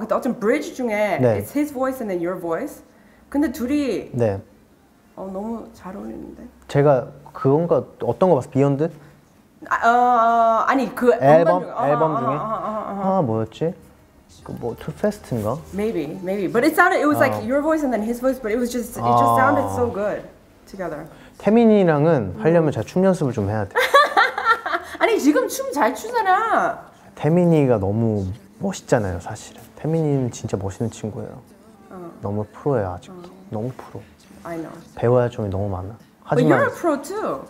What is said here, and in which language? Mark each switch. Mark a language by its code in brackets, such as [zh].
[ko] 그때 어떤 브릿지 중에 네. [en] It's his voice and then your voice. [ko] 근데 둘이 네. 어 너무 잘 어울리는데. 제가 그건가 어떤 거 봤어? 비욘드? 아니 그 앨범 중, 어허, 앨범 중에 아 뭐였지? 뭐 Too Fast인가? [en] Maybe, maybe. But it sounded it was 아. like your voice and then his voice, but it was just it just sounded so good together. [ko] 태민이랑은 하려면 제가 춤 연습을 좀 해야 돼. 아니 지금 춤 잘 추잖아. 태민이가 너무 멋있잖아요, 사실은. 태민이는 진짜 멋있는 친구예요. 어. 너무 프로예요, 아직도. 어. 너무 프로. [en] I know. [ko] 배워야 할 점이 너무 많아. 하지만 [en] But you're a pro too.